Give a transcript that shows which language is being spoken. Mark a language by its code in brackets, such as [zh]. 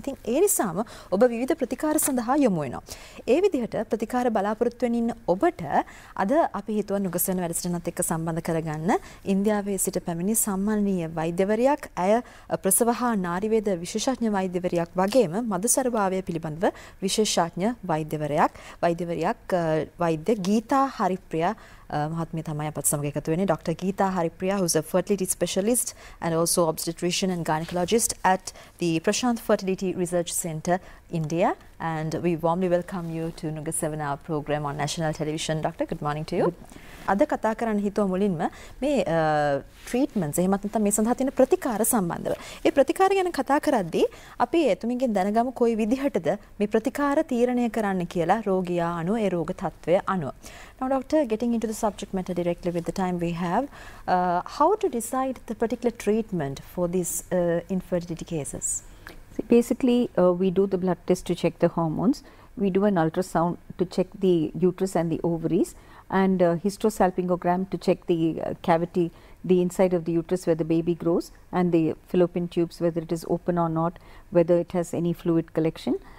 [si] ඉතින් ඒ නිසාම ඔබ විවිධ ප්‍රතිකාර සඳහා යොමු වෙනවා. ඒ විදිහට ප්‍රතිකාර බලාපොරොත්තු වෙන ඉන්න ඔබට අද අපි හිතුවා නුගසවන වැඩසටහනත් එක්ක සම්බන්ධ කරගන්න ඉන්දියාවේ සිට පැමිණි සම්මානීය වෛද්‍යවරියක් ඇය ප්‍රසව හා නාරිවේද විශේෂඥ වෛද්‍යවරියක් වගේම මද සරුභාවය පිළිබඳව විශේෂඥ වෛද්‍යවරියක් වෛද්‍ය ගීතා හරිප්‍රියා මහත්මිය තමයි අපත් සමග එකතු වෙන්නේ. [en] Doctor Geeta Haripriya who's a fertility specialist and also obstetrician and gynecologist at the Prashant Fertility Research Center India, and we warmly welcome you to Nugasewana program on national television. Doctor, good morning to you. [si] අද කතා කරන්න හිතුව මුලින්ම මේ treatments එහෙමත් නැත්නම් මේ සඳහා තියෙන ප්‍රතිකාර සම්බන්ධව. ඒ ප්‍රතිකාර ගැන කතා කරද්දී අපි එතුමින්ගෙන් දැනගමු කොයි විදිහටද මේ ප්‍රතිකාර තීරණය කරන්න කියලා රෝගියා අනුව ඒ රෝග තත්ත්වය අනුව. [en] Now doctor, getting into the subject matter directly with the time we have, how to decide the particular treatment for these infertility cases? See, basically, we do the blood test to check the hormones. We do an ultrasound to check the uterus and the ovaries, and hysterosalpingogram to check the cavity, the inside of the uterus where the baby grows, and the fallopian tubes, whether it is open or not, whether it has any fluid collection.